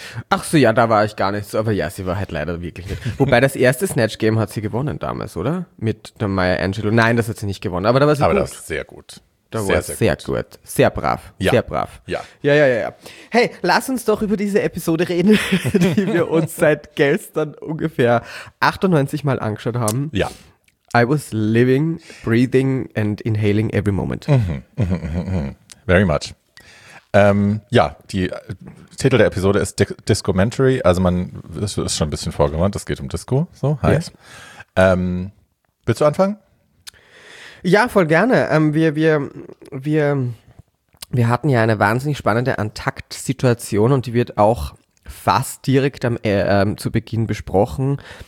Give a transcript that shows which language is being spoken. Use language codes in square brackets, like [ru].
[de] Ach so, ja, da war ich gar nicht so, aber ja, sie war halt leider wirklich nicht. Wobei das erste Snatch Game hat sie gewonnen damals, oder? Mit der Maya Angelou. Nein, das hat sie nicht gewonnen, aber da war sie aber gut. Aber das ist sehr gut. Da war sehr gut. Gut. Sehr brav. Ja. Sehr brav. Ja. Ja. Hey, lass uns doch über diese Episode reden, die wir uns seit gestern ungefähr 98 Mal angeschaut haben. Ja. [en] I was living, breathing and inhaling every moment. Very much. [de] Titel der Episode ist Discomentary. Also man, das ist schon ein bisschen vorgewandt, das geht um Disco, so heißt. Yeah. Willst du anfangen? Ja, voll gerne. Wir hatten ja eine wahnsinnig spannende Antakt-Situation und die wird auch fast direkt zu Beginn besprochen.